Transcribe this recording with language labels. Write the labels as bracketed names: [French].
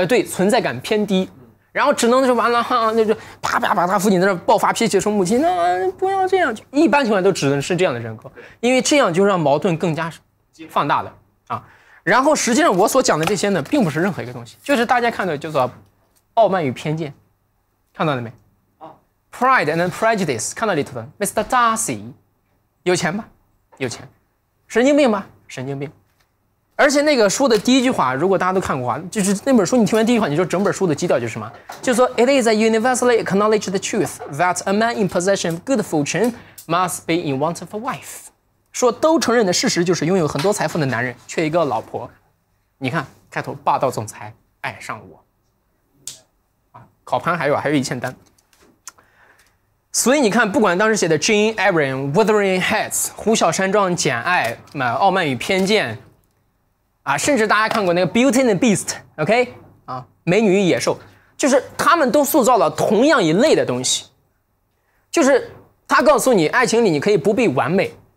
[Chinese] 对，存在感偏低，然后只能就完了哈，那就啪啪把他父亲在那爆发脾气，说母亲，那不要这样。一般情况都只能是这样的人格，因为这样就让矛盾更加放大了啊。然后实际上我所讲的这些呢，并不是任何一个东西，就是大家看到叫做傲慢与偏见，看到了没？ Pride and Prejudice， 看到里头的 Mr. Darcy， 有钱吧？有钱，神经病吧？神经病。而且那个书的第一句话，如果大家都看过，就是那本书，你听完第一句话，你说整本书的基调就是什么？就说 [English] It is a universally acknowledged truth that a man in possession of good fortune must be in want of a wife。 [Chinese] 说都承认的事实就是，拥有很多财富的男人缺一个老婆。你看开头霸道总裁爱上我，啊，考盘还有一千单。所以你看，不管当时写的 Jane Eyre、 Wuthering Heights、 呼啸山庄、简爱、傲慢与偏见啊，甚至大家看过那个 Beauty and the Beast， OK 啊，美女与野兽，就是他们都塑造了同样一类的东西，就是他告诉你爱情里你可以不必完美。